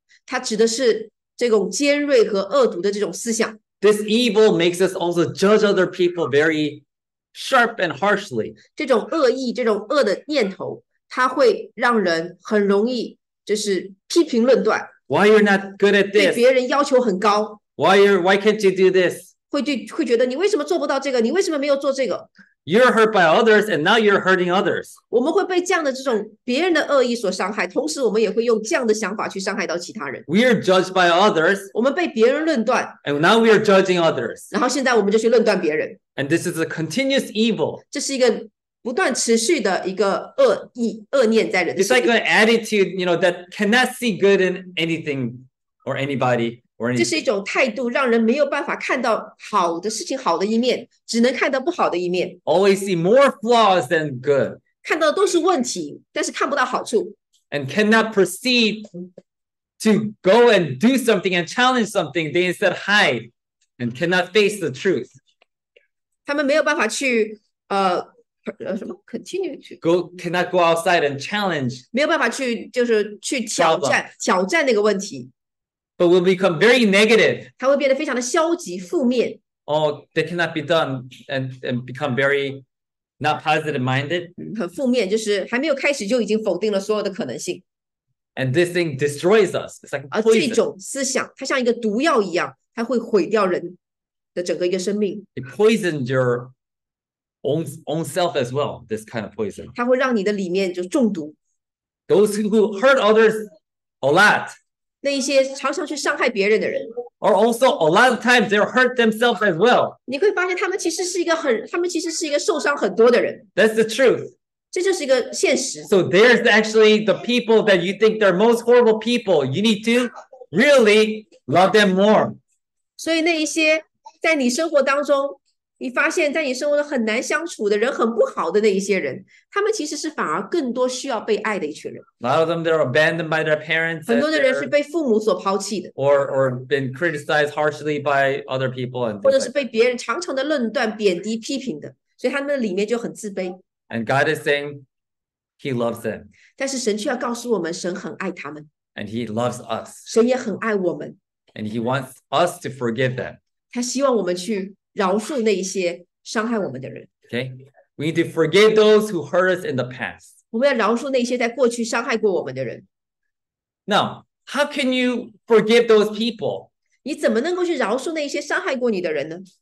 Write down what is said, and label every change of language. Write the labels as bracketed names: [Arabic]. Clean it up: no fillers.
[Chinese] 它指的是这种尖锐和恶毒的这种思想。 [English] This evil makes us also judge other people very sharp and harshly. [Chinese] 这种恶意, 这种恶的念头, 它会让人很容易就是批评论断。 [English] Why you're not good at this? [Chinese] 对别人要求很高。 [English] Why can't you do this? [Chinese] 会觉得你为什么做不到这个, 你为什么没有做这个? [English] You're hurt by others, and now you're hurting others. [Chinese] 我们会被这样的这种别人的恶意所伤害, 同时我们也会用这样的想法去伤害到其他人。 [English] We are judged by others. [Chinese] 我们被别人论断。 [English] And now we are judging others. [Chinese] 然后现在我们就去论断别人。 [English] And this is a continuous evil. [Chinese] 这是一个不断持续的一个恶意, 恶念在人的心里。 [English] It's like an attitude, you know, that cannot see good in anything or anybody. [Chinese] 这是一种态度让人没有办法看到好的事情, 好的一面, 只能看到不好的一面。 [English] Always see more flaws than good. [Chinese] 看到的都是问题, 但是看不到好处。 [English] And cannot proceed to go and do something and challenge something. They instead hide and cannot face the truth. [Chinese] 他们没有办法去, [English] continue to go, cannot go outside and challenge. [Chinese] 没有办法去, 就是去挑战, 挑战那个问题。 [English] But will become very negative. [Chinese] 它会变得非常的消极, 负面。 [English] Oh, that cannot be done and become very not positive minded. [Chinese] 很负面, 就是还没有开始就已经否定了所有的可能性。 [English] And this thing destroys us. It's like poison. [Chinese] 而这种思想, 它像一个毒药一样, 它会毁掉人的整个一个生命。 [English] It poisons your own self as well, this kind of poison. [Chinese] 它会让你的里面就中毒。 [English] Those who hurt others a lot. [Chinese] 那一些常常去伤害别人的人, [English] or also a lot of times they hurt themselves as well. [Chinese] 你会发现他们其实是一个很, 他们其实是一个受伤很多的人。 [English] That's the truth. [Chinese] 这就是一个现实。 [English] So there's actually the people that you think they're most horrible people. You need to really love them more. [Chinese] 所以那一些在你生活当中, 你发现在你生活中很难相处的人,很不好的那一些人, 他们其实是反而更多需要被爱的一群人。 [English] A lot of them, they're abandoned by their parents. [Chinese] 很多的人是被父母所抛弃的。 [English] Or been criticized harshly by other people. And [Chinese] 或者是被别人常常的论断,贬低,批评的。所以他们里面就很自卑。 [English] And God is saying, He loves them. [Chinese] 但是神却要告诉我们,神很爱他们。 [English] And He loves us. [Chinese] 神也很爱我们。 [English] And He wants us to forgive them. [Chinese] 他希望我们去饶恕那一些伤害我们的人。 [English] Okay, we need to forgive those who hurt us in the past. [Chinese] 我们要饶恕那些在过去伤害过我们的人。 [English] Now, how can you forgive those people? [Chinese] 你怎么能够去饶恕那些伤害过你的人呢？